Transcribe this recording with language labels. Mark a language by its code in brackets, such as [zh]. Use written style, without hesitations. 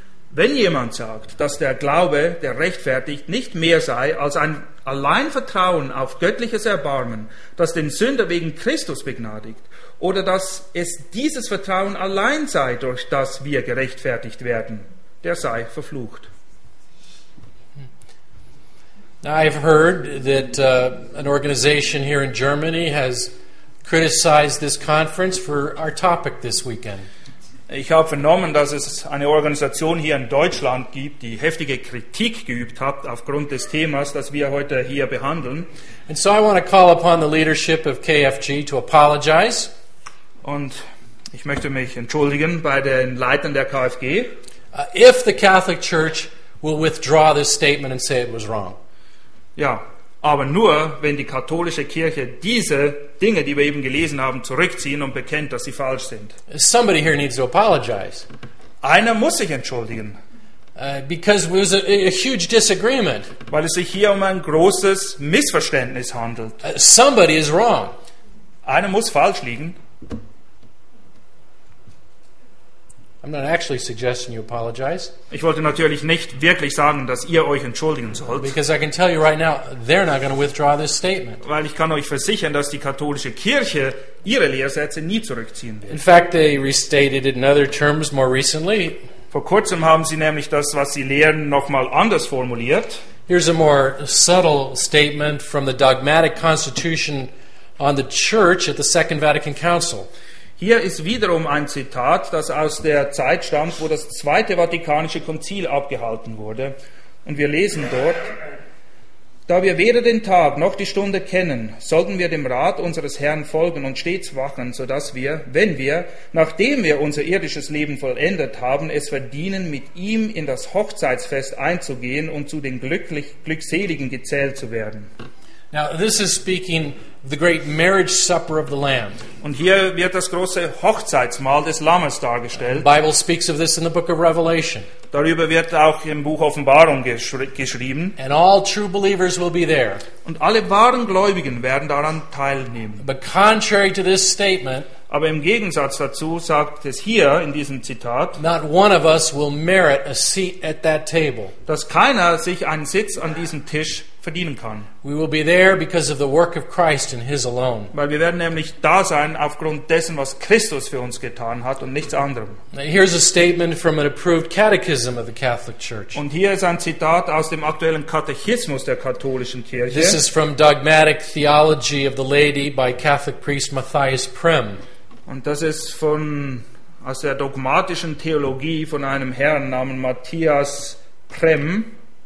[de] Wenn jemand sagt, dass der Glaube, der rechtfertigt, nicht mehr sei als ein Alleinvertrauen auf göttliches Erbarmen, das den Sünder wegen Christus begnadigt, oder dass es dieses Vertrauen allein sei, durch das wir gerechtfertigt werden, der sei verflucht. [en] I've heard that an organization here in Germany has criticized this conference for our topic this weekend. [de] Ich habe vernommen, dass es eine Organisation hier in Deutschland gibt, die heftige Kritik geübt hat aufgrund des Themas, das wir heute hier behandeln. [en] And so I want to call upon the leadership of KFG to apologize. [de] Und ich möchte mich entschuldigen bei den Leitern der KFG. [en] If the Catholic Church will withdraw this statement and say it was wrong. [de] Ja, aber nur, wenn die katholische Kirche diese Dinge, die wir eben gelesen haben, zurückziehen und bekennt, dass sie falsch sind. [en] Somebody here needs to apologize. [de] Einer muss sich entschuldigen. [en] Because it was a huge disagreement. [de] Weil es sich hier um ein großes Missverständnis handelt. [en] Somebody is wrong. [de] Einer muss falsch liegen. [en] I'm not actually suggesting you apologize. [de] Ich wollte natürlich nicht wirklich sagen, dass ihr euch entschuldigen sollt. [en] Because I can tell you right now, they're not going to withdraw this statement. [de] Weil ich kann euch versichern, dass die katholische Kirche ihre Lehrsätze nie zurückziehen wird. [en] In fact, they restated it in other terms more recently. [de] Vor kurzem haben sie nämlich das, was sie lehren, nochmal anders formuliert. [en] Here's a more subtle statement from the dogmatic constitution on the church at the Second Vatican Council. [de] Hier ist wiederum ein Zitat, das aus der Zeit stammt, wo das Zweite Vatikanische Konzil abgehalten wurde. Und wir lesen dort, da wir weder den Tag noch die Stunde kennen, sollten wir dem Rat unseres Herrn folgen und stets wachen, sodass wir, wenn wir, nachdem wir unser irdisches Leben vollendet haben, es verdienen, mit ihm in das Hochzeitsfest einzugehen und zu den Glückseligen gezählt zu werden. [en] Now this is speaking the great marriage supper of the Lamb. [de] Und hier wird das große Hochzeitsmahl des Lammes dargestellt. [en] The Bible speaks of this in the book of Revelation. [de] Darüber wird auch im Buch Offenbarung geschrieben. [en] And all true believers will be there. [de] Und alle wahren Gläubigen werden daran teilnehmen. [en] But contrary to this statement, [de] aber im Gegensatz dazu sagt es hier in diesem Zitat, [en] not one of us will merit a seat at that table. [de] Dass keiner sich einen Sitz an diesem Tisch verdienen kann. [en] We will be there because of the work of Christ and His alone. [de] Weil wir werden nämlich da sein aufgrund dessen, was Christus für uns getan hat und nichts anderem. [en] Now here's a statement from an approved catechism of the Catholic Church. [de] Und hier ist ein Zitat aus dem aktuellen Katechismus der katholischen Kirche. [en] This is from Dogmatic Theology of the Lady by Catholic priest Matthias Prim. [de] Und das ist von aus der dogmatischen Theologie von einem Herrn namens Matthias Prim.